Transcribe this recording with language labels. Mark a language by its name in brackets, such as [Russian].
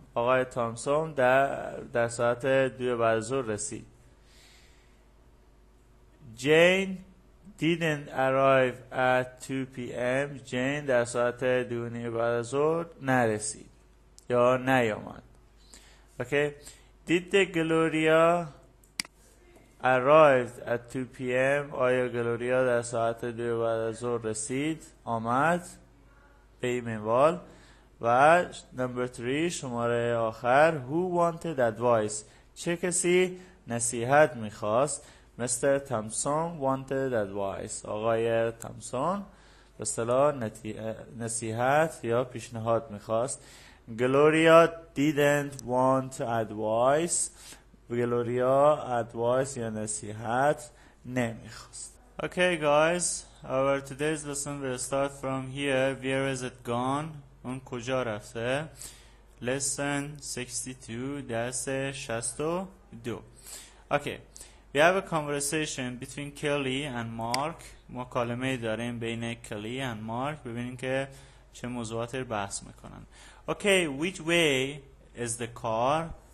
[Persian] آقای تامسون در ساعت 2 بعد از ظهر رسید. [English] Jane didn't arrive at 2 p.m. [Persian] Jane در ساعت 2 بعد از ظهر نرسید یا نیامد. [English] Okay. Did the Gloria arrived at 2 p.m. [Persian] آیا گلوریا در ساعت 2 بعد از ظهر رسید؟ آمد به این منوال. و نمبر 3 شماره آخر. [English] Who wanted advice؟ [Persian] چه کسی نصیحت میخواست؟ [English] Mr. Thompson wanted advice. [Persian] آقای تامسون به اصطلاح نصیحت یا پیشنهاد میخواست. [English] Gloria didn't want advice. [Persian] گلوریا ادوایس یا نصیحت نمیخواست. [English] Okay guys, our today's lesson will start from here. Where is it gone? [Persian] اون کجا رفته؟ [English] Lesson 62, [Persian] درس 62. [English] Okay, we have a conversation between Kelly and Mark. [Persian] مکالمه داریم بین کلی and Mark. ببینیم که چه موضوعاتی بحث میکنن. [English] Okay, which way is the car?